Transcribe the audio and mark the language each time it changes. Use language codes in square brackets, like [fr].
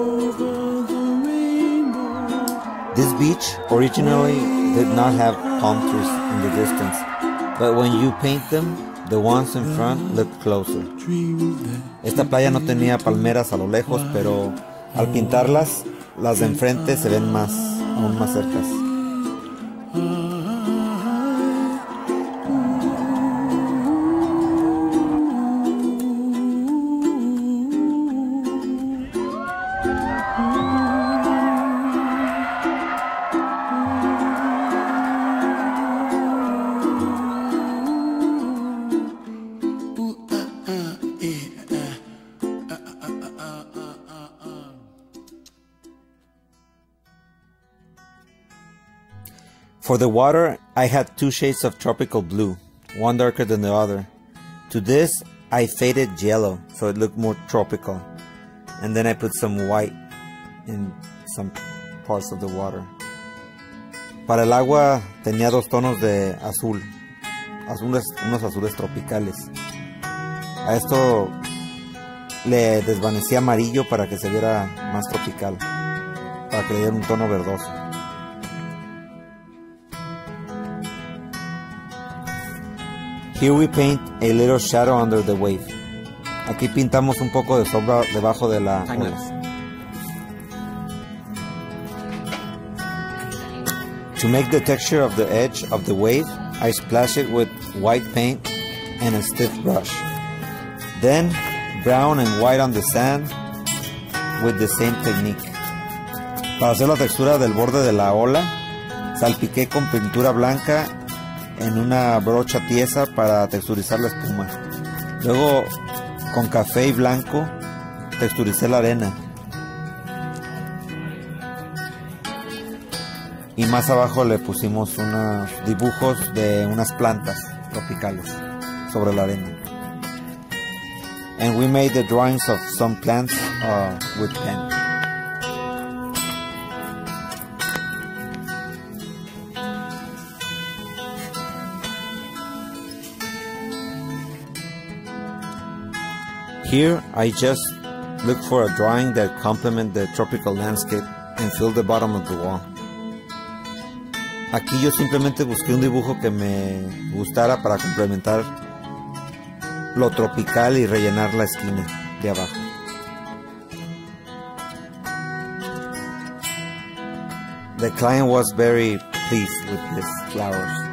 [en] This beach originally did not have palm trees in the distance, but when you paint them, the ones in front look closer. [es] Esta playa no tenía palmeras a lo lejos, pero al pintarlas, las de enfrente se ven más, aún más cercas. [en] For the water, I had two shades of tropical blue, one darker than the other. To this, I faded yellow so it looked more tropical. And then I put some white in some parts of the water. [es] Para el agua, tenía dos tonos de azul, unos azules tropicales. A esto le desvanecí amarillo para que se viera más tropical, para que le diera un tono verdoso. [en] Here we paint a little shadow under the wave. [es] Aquí pintamos un poco de sombra debajo de la ola. [en] To make the texture of the edge of the wave, I splash it with white paint and a stiff brush. Then, brown and white on the sand with the same technique. [es] Para hacer la textura del borde de la ola, salpiqué con pintura blanca en una brocha tiesa para texturizar la espuma. Luego, con café y blanco, texturicé la arena. Y más abajo le pusimos unos dibujos de unas plantas tropicales sobre la arena. [en] And we made the drawings of some plants with pen. Here, I just look for a drawing that complements the tropical landscape and fill the bottom of the wall. [es] Aquí yo simplemente busqué un dibujo que me gustara para complementar lo tropical y rellenar la esquina de abajo. [en] The client was very pleased with these flowers.